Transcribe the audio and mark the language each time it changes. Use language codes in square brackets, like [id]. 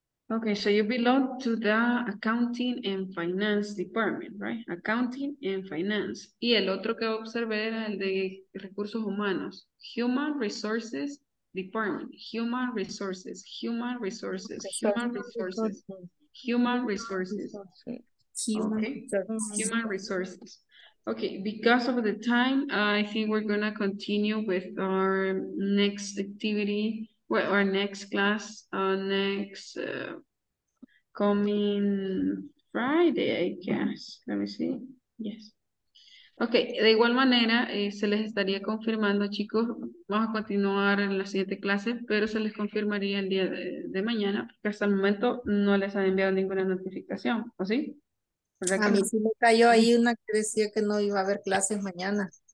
[en] Okay, so you belong to the accounting and finance department, right? Accounting and finance. [es] Y el otro que observé era el de recursos humanos. [en] Human resources department. Human resources. Human resources. Human resources. Human resources. Okay. Human resources. Okay, because of the time, I think we're going to continue with our next activity. Well, our next class, next coming Friday, I guess. Let me see. Yes. [es] Okay, de igual manera, se les estaría confirmando, chicos, vamos a continuar en la siguiente clase, pero se les confirmaría el día de mañana, porque hasta el momento no les han enviado ninguna notificación, ¿o sí? A mí sí me cayó ahí una que decía que no iba a haber clases mañana.